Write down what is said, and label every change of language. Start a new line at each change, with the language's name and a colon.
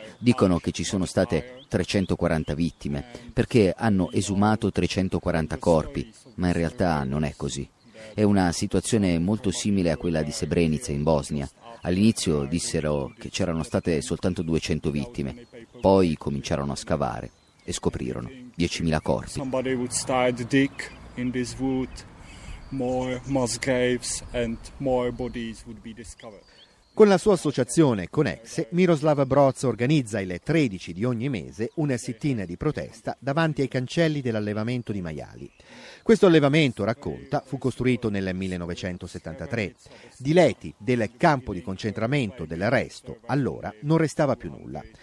Italian: Dicono che ci sono state 340 vittime, perché hanno esumato 340 corpi, ma in realtà non è così. È una situazione molto simile a quella di Srebrenica in Bosnia. All'inizio dissero che c'erano state soltanto 200 vittime, poi cominciarono a scavare e scoprirono 10.000 corpi.
English: Somebody would start dig in this wood, more mass graves and more bodies would be discovered.
Italian: Con la sua associazione Conexe, Miroslav Broz organizza il 13 di ogni mese una sit-in di protesta davanti ai cancelli dell'allevamento di maiali. Questo allevamento, racconta, fu costruito nel 1973. Di Leti, del campo di concentramento del Resto, allora non restava più nulla.